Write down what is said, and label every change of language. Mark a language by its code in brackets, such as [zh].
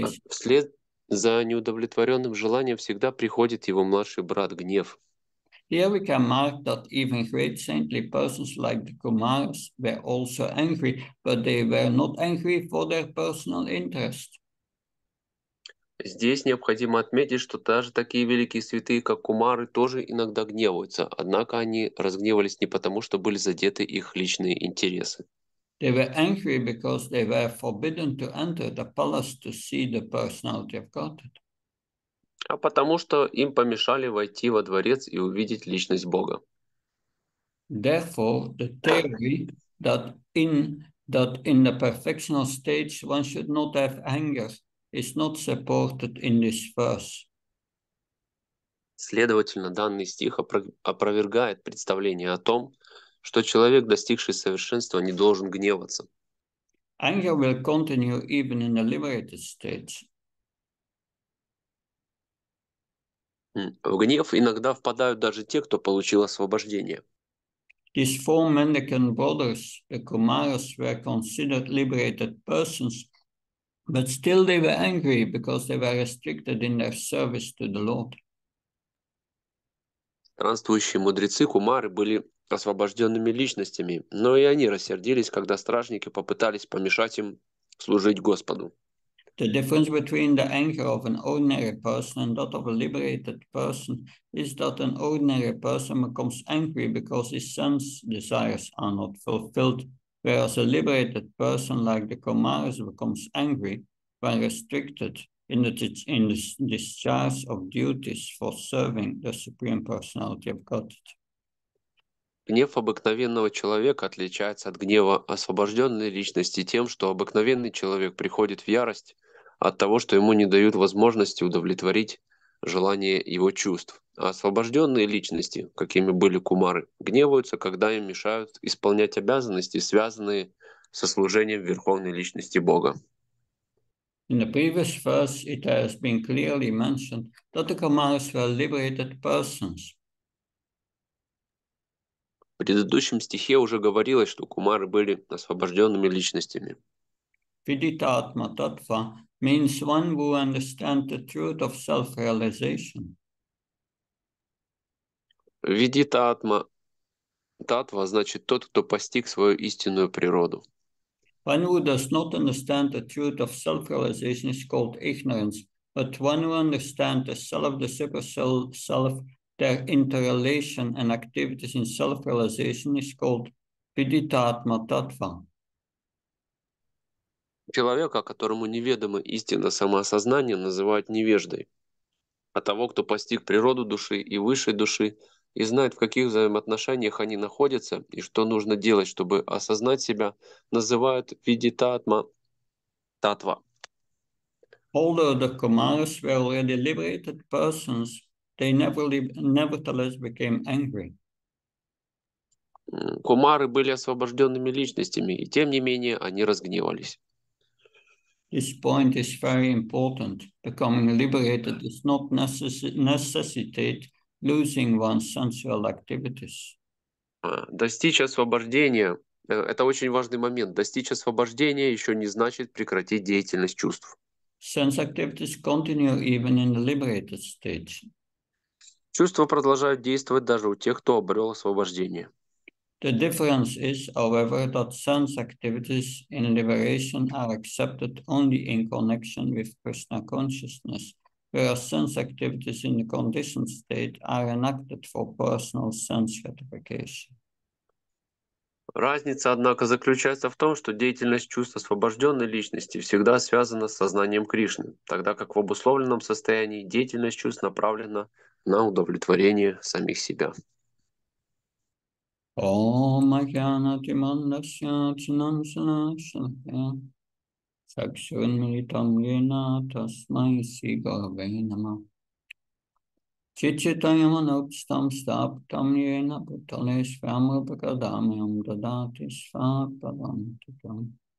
[ru] Вслед за неудовлетворенным желанием всегда приходит его младший брат гнев. [en] Here we can mark that even great saintly persons like the Kumaras were also angry, but they were not angry for their personal interest. [ru] Здесь необходимо отметить, что даже такие великие святые, как кумары, тоже иногда гневаются, однако они разгневались не потому, что были задеты их личные интересы. [en] They were angry because they were forbidden to enter the palace to see the personality of God. [ru] А потому что им помешали войти во дворец и увидеть личность Бога. [en] Therefore, the theory that in the perfectional stage one should not have anger is not supported in this verse. [ru] Следовательно, данный стих опровергает представление о том, что человек, достигший совершенства, не должен гневаться. [en] Anger will continue even in the liberated states. [ru] В гнев иногда впадают даже те, кто получил освобождение. [en] These four mendicant brothers, the Kumaras, were considered liberated persons, but still they were angry because they were restricted in their service to the Lord. [ru] Странствующие мудрецы Кумары были освобожденными личностями, но и они рассердились, когда стражники попытались помешать им служить Господу. [en] The difference between the anger of an ordinary person and that of a liberated person is that an ordinary person becomes angry because his sense desires are not fulfilled, whereas a liberated person like the Kumaras becomes angry when restricted in the discharge of duties for serving the Supreme Personality of God. [ru] Гнев обыкновенного человека отличается от гнева освобожденной личности тем, что обыкновенный человек приходит в ярость от того, что ему не дают возможности удовлетворить желание его чувств. А освобожденные личности, какими были кумары, гневаются, когда им мешают исполнять обязанности, связанные со служением Верховной Личности Бога. [en] In the previous verse, it has been clearly mentioned that the Kumaras were liberated persons. [ru] В предыдущем стихе уже говорилось, что кумары были освобожденными личностями. [en] Vidita-atma tattva means one who understands the truth of self-realization. [ru] Vidita-atma tattva значит тот, кто постиг свою истинную природу. [en] One who does not understand the truth of self-realization is called ignorance, but one who understands the self, the super-self, their interrelation and activities in self-realization is called vidita-atma tattva. [ru] Человека, которому неведомо истина самоосознания, называют невеждой. А того, кто постиг природу души и высшей души, и знает, в каких взаимоотношениях они находятся, и что нужно делать, чтобы осознать себя, называют видитатма татва. [en] Although the Kumaras were already liberated persons, they nevertheless became angry. [ru] Кумары были освобожденными личностями, и тем не менее они разгневались. [en] This point is very important. Becoming liberated does not necessitate losing one's sensual activities. [ru] Достичь освобождения – это очень важный момент. Достичь освобождения еще не значит прекратить деятельность чувств. [en] Sense activities continue even in the liberated state. [ru] Чувства продолжают действовать даже у тех, кто обрел освобождение. [en] The difference is, however, that sense activities in liberation are accepted only in connection with Krishna consciousness, whereas sense activities in the conditioned state are enacted for personal sense gratification. [ru] Разница, однако, заключается в том, что деятельность чувств освобожденной личности всегда связана с сознанием Кришны, тогда как в обусловленном состоянии деятельность чувств направлена на удовлетворение самих себя. Ом Агьянати Мандасья Чинамсана Шалхья Сакшвин Милитам Гена Тасмай Сигаве Нама Чичитаяма Нупстам Стаптам Гена Путале Швяму Пакадаме Ам Дадати Сваттавам Титам